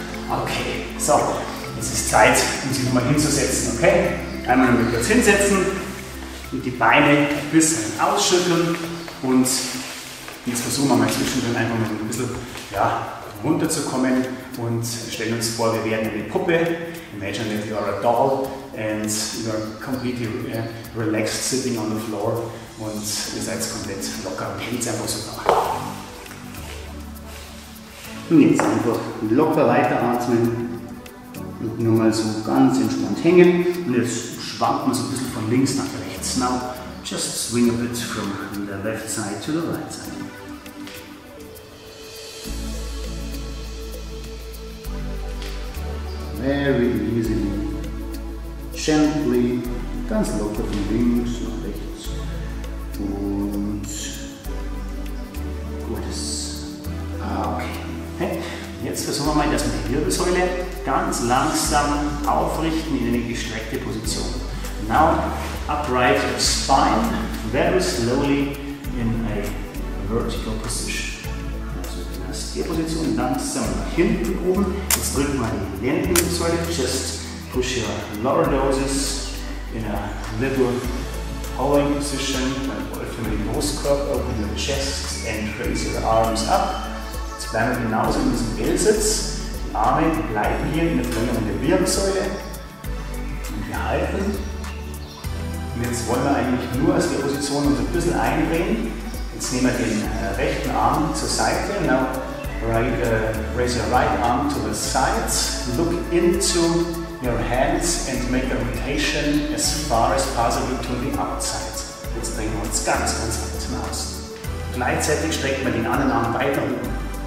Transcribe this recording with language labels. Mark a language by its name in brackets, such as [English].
[German] Okay, so, es ist Zeit, um sich nochmal hinzusetzen, okay? Einmal nochmal kurz hinsetzen und die Beine ein bisschen ausschütteln. Und jetzt versuchen wir mal zwischendrin einfach mal ein bisschen runterzukommen. Und stellen uns vor, wir werden eine Puppe. [English] Imagine that you are a doll and you are completely relaxed sitting on the floor. [German] Und ihr seid komplett locker und hält einfach so da. Und jetzt einfach locker weiteratmen und nur mal so ganz entspannt hängen. Und jetzt schwankt man so ein bisschen von links nach rechts. [English] Now just swing a bit from the left side to the right side. Very easy. Gently, [German] ganz locker von links nach rechts. Und gutes. Ah, okay. Jetzt versuchen wir mal, dass wir die Wirbelsäule ganz langsam aufrichten in eine gestreckte Position. [English] Now, upright your spine very slowly in a vertical position. [German] Also in der Stierposition langsam nach hinten oben. Jetzt drücken wir die Lendenwirbelsäule. [English] Just push your lordosis in a little hollowing position. [German] Öffne den Brustkorb, [English] open your chest and raise your arms up. [German] Bleiben wir genauso in diesem L-Sitz. Die Arme bleiben hier in der Verlängerung der Wirbelsäule. Und wir halten. Und jetzt wollen wir eigentlich nur aus der Position uns ein bisschen eindrehen. Jetzt nehmen wir den rechten Arm zur Seite. [English] Now right, raise your right arm to the side. Look into your hands and make a rotation as far as possible to the outside. [German] Jetzt drehen wir uns ganz, ganz weit hinaus. Gleichzeitig strecken wir den anderen Arm weiter unten.